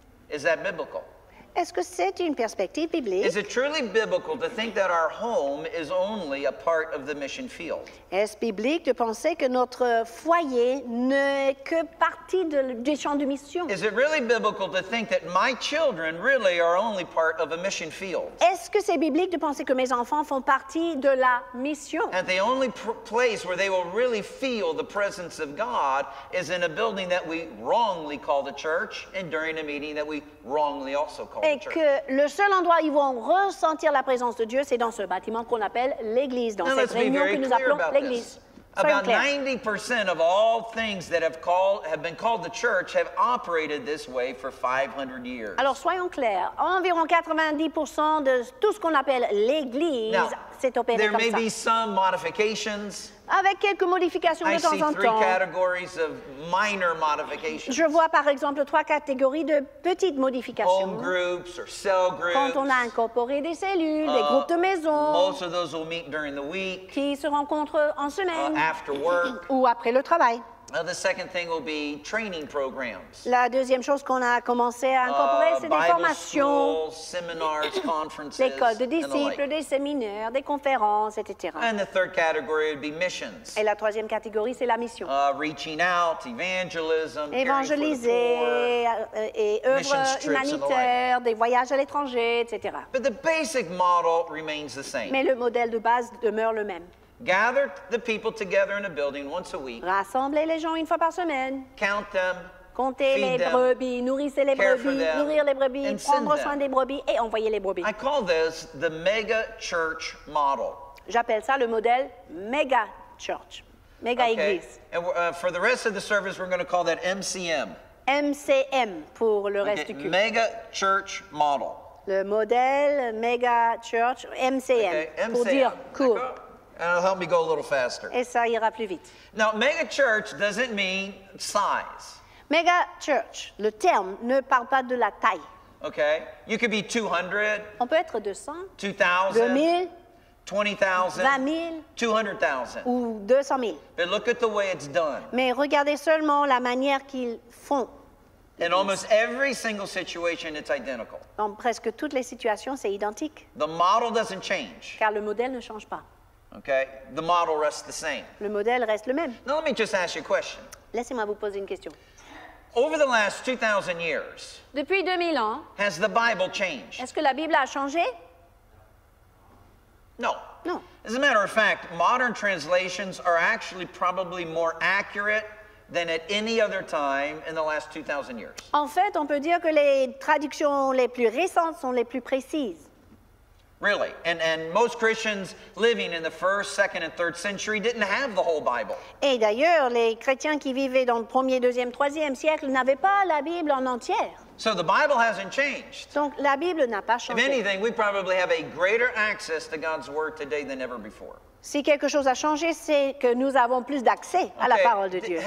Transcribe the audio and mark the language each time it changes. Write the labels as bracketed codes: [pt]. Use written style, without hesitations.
[en] Is that biblical? [fr] Est-ce que c'est une perspective biblique? [en] Is it truly biblical to think that our home is only a part of the mission field? [fr] Est-ce biblique de penser que notre foyer n'est que partie du champ de mission? [en] Is it really biblical to think that my children really are only part of a mission field? [fr] Est-ce que c'est biblique de penser que mes enfants font partie de la mission? [en] And the only place where they will really feel the presence of God is in a building that we wrongly call the church and during a meeting that we wrongly also call. [fr] Et que le seul endroit où ils vont ressentir la présence de Dieu, c'est dans ce bâtiment qu'on appelle l'église, dans [en] Now, [fr] cette réunion que nous appelons l'église. [en] About 90% of all things that have been called the church have operated this way for 500 years. [fr] Alors soyons clairs, environ 90% de tout ce qu'on appelle l'église s'est opéré comme ça. [en] There may be some modifications. [fr] Avec quelques modifications de [en] I [fr] temps en temps. [en] I see three categories of minor modifications. [fr] Je vois par exemple trois catégories de petites modifications. [en] Home groups or cell groups. [fr] Quand on a incorporé des cellules, des groupes de maison. [en] Most of those will meet during the week. [fr] Qui se rencontrent en semaine. [en] After work. [fr] Ou après le travail. [en] The second thing will be training programs. [fr] La deuxième chose qu'on a commencé à incorporer, c'est des formations, [en] seminars, conferences, [fr] l'école de disciples, des séminaires, des conférences, etc. [en] And the third category would be missions. [fr] Et la troisième catégorie, c'est la mission. [en] Reaching out, evangelism, [fr] évangéliser et œuvres humanitaires, des voyages à l'étranger, etc. [en] But the basic model remains the same. [fr] Mais le modèle de base demeure le même. [en] Gather the people together in a building once a week. [fr] Rassemblez les gens une fois par semaine. [en] Count them. [fr] Comptez les brebis. Nourrissez les brebis. [en] Care for them, [fr] nourrir les brebis. [en] And [fr] prendre soin [en] them. [fr] Des brebis et envoyer les brebis. [en] I call this the mega church model. [fr] J'appelle ça le modèle mega church. Mega église. [en] And for the rest of the service, we're going to call that MCM. [fr] MCM pour le reste du culte. [en] Mega church model. [fr] Le modèle mega church MCM. [en] Okay, MCM. [fr] Pour dire cool. [en] And it'll help me go a little faster. [fr] Et ça ira plus vite. [en] Now, mega church doesn't mean size. [fr] Mega church, le terme, ne parle pas de la taille. [en] Okay? You could be 200. [fr] On peut être 200. [en] 2,000. [fr] 2,000. [en] 20,000. [fr] 20,000. [en] 200,000. [fr] Ou 200,000. [en] But look at the way it's done. [fr] Mais regardez seulement la manière qu'ils font. [en] In almost every single situation, it's identical. [fr] Dans presque toutes les situations, c'est identique. [en] The model doesn't change. [fr] Car le modèle ne change pas. [en] Okay? The model rests the same. [fr] Le modèle reste le même. [en] Now let me just ask you a question. [fr] Laissez-moi vous poser une question. [en] Over the last 2,000 years, [fr] depuis 2000 ans, [en] has the Bible changed? [fr] Est-ce que la Bible a changé? [en] No. [fr] No. [en] As a matter of fact, modern translations are actually probably more accurate than at any other time in the last 2,000 years. [fr] En fait, on peut dire que les traductions les plus récentes sont les plus précises. [en] Really? And most Christians living in the 1st, 2nd, and 3rd century didn't have the whole Bible. [fr] Et d'ailleurs, les chrétiens qui vivaient dans le 1er, 2e, 3e siècle n'avaient pas la Bible en entière. [en] So the Bible hasn't changed. [fr] Donc la Bible n'a pas changé. [en] If anything, we probably have a greater access to God's Word today than ever before. [fr] Si quelque chose a changé, c'est que nous avons plus d'accès à la parole de Dieu.